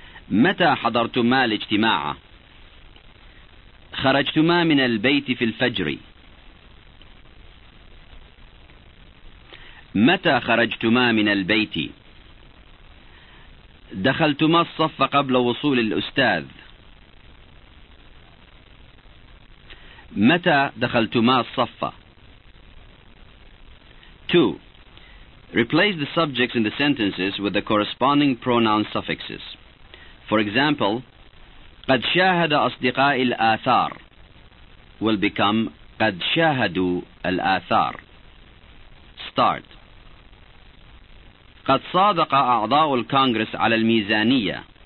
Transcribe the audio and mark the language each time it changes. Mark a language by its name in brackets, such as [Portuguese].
[Arabic] متى حضرتما الاجتماع؟ خرجتما من البيت في الفجر؟ متى خرجتما من البيت؟ دخلتما الصف قبل وصول الأستاذ؟ متى دخلتما الصف؟ 2. [English] Replace the subjects in the sentences with the corresponding pronoun suffixes. For example, [Arabic] قد شاهد أصدقائي الآثار [English] will become [Arabic] قد شاهدوا الآثار. [English] Start. [Arabic] قد صادق أعضاء الكونغرس على الميزانية.